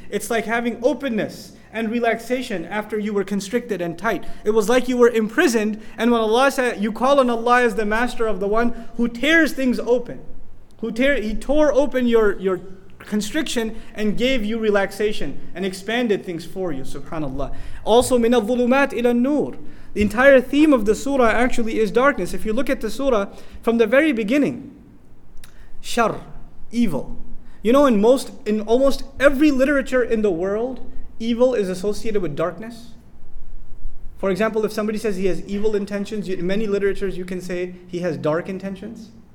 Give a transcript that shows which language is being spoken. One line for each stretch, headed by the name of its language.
English: It's like having openness and relaxation after you were constricted and tight. It was like you were imprisoned, and when Allah said, you call on Allah as the master of the one who tears things open. He tore open your constriction and gave you relaxation and expanded things for you, subhanAllah. Also,
Arabic: مِنَ الظُّلُمَاتِ إِلَى النُّورِ.
English: The entire theme of the surah actually is darkness. If you look at the surah from the very beginning, shar, evil. You know, in almost every literature in the world, evil is associated with darkness. For example, if somebody says he has evil intentions, in many literatures you can say he has dark intentions.